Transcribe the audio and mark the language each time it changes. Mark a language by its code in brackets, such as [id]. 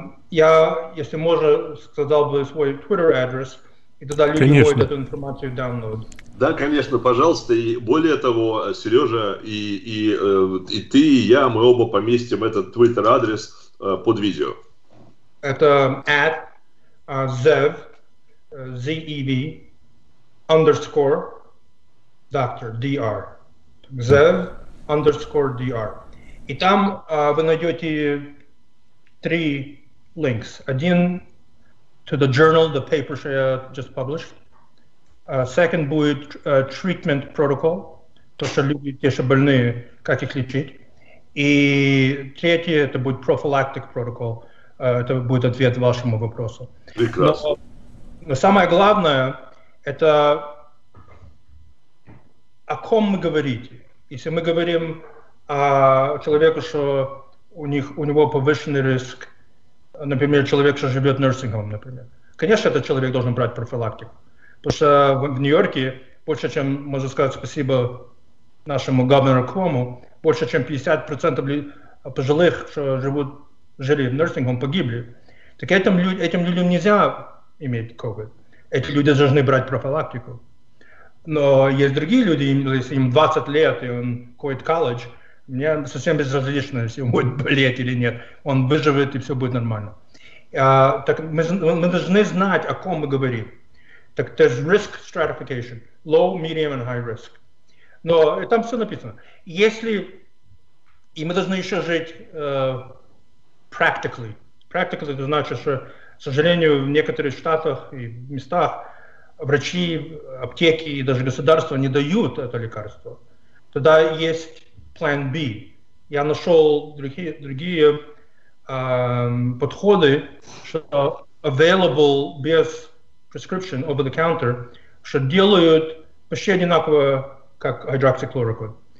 [ru] Я, если можно, сказал бы свой Twitter address, и тогда люди могут эту информацию download. Да, конечно, пожалуйста. И более того, Сережа, и ты, и я, мы оба поместим этот Twitter адрес под видео. Это at zev, z-e-v, underscore, доктор, DR. Zev_DR. И там вы найдете 3 links. Один [en] to the journal, the paper, [ru] что я [en] just published. [ru] Second будет treatment protocol, то, что люди, те, что больные, как их лечить. И третье, это будет prophylactic protocol. Это будет ответ вашему вопросу. Но самое главное, это... о ком мы говорите? Если мы говорим о человеке, что у него повышенный риск, например, человек, что живет в nursing home, например, конечно, этот человек должен брать профилактику. Потому что в Нью-Йорке, больше чем, можно сказать спасибо нашему губернатору Куому, больше чем 50% пожилых, что живут, жили в nursing home, погибли. Так этим людям нельзя иметь COVID. Эти люди должны брать профилактику. Но есть другие люди, если им 20 лет, и он ходит в колледж, мне совсем безразлично, если он будет болеть или нет. Он выживет, и все будет нормально. Так мы должны знать, о ком мы говорим. Так [en] there's risk stratification. Low, medium and high risk. [ru] Но там все написано. Если... И мы должны еще жить practically. Practically это значит, что, к сожалению, в некоторых штатах и местах врачи, аптеки и даже государство не дают это лекарство. Тогда есть plan B. Я нашел другие подходы, что available без prescription, [en] over the counter, [ru] что делают почти одинаково, как hydroxychloroquine.